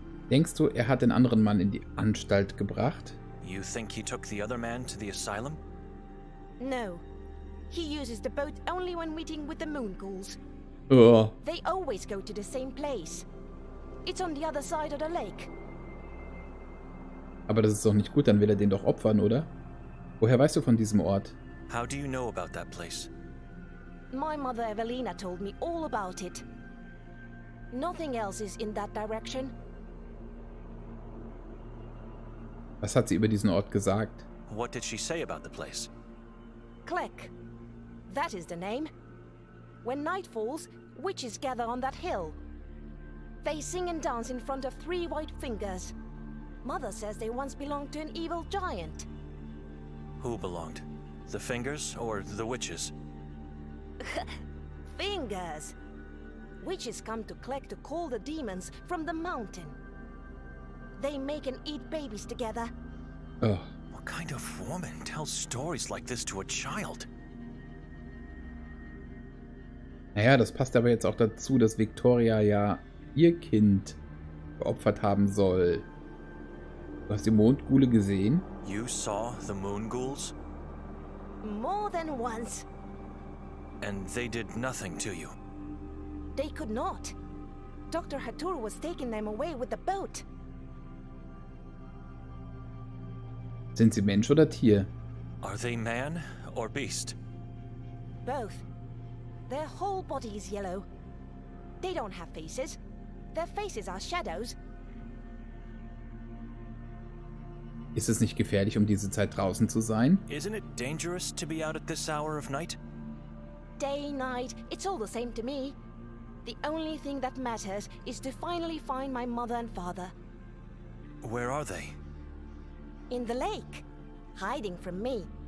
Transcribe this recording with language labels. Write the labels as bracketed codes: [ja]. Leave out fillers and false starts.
[de] Denkst du, er hat den anderen Mann in die Anstalt gebracht? [en] You think he took the other man to the asylum? No. He uses the boat only when meeting with the moon ghouls. Oh. They always go to the same place. It's on the other side of the lake. [de] Aber das ist doch nicht gut, dann will er den doch opfern, oder? Woher weißt du von diesem Ort? [en] How do you know about that place? My mother Evelina told me all about it. Nothing else is in that direction. [de] Was hat sie über diesen Ort gesagt? [en] What did she say about the place? Kleck. That is the name. When night falls, witches gather on that hill. They sing and dance in front of three white fingers. Mother says they once belonged to an evil giant. Who belonged? The fingers or the witches? Fingers! Witches come to Kleck to call the demons from the mountain. They make and eat babies together. Ugh. What kind of woman tells stories like this to a child? [de] Naja, das passt aber jetzt auch dazu, dass Victoria ja ihr Kind geopfert haben soll. Du hast die Mondghule gesehen? [en] You saw the moon ghouls? More than once. And they did nothing to you? They could not. Dr. Hattur was taking them away with the boat. [de] Sind sie Mensch oder Tier? [en] Are they man or beast? Both. Their whole body is yellow. They don't have faces. Their faces are shadows. [de] Ist es nicht gefährlich, um diese Zeit draußen zu sein? [en] Isn't it dangerous to be out at this hour of night? Day, night, it's all the same to me. The only thing that matters is to finally find my mother and father. Where are they? In the lake, hiding from me.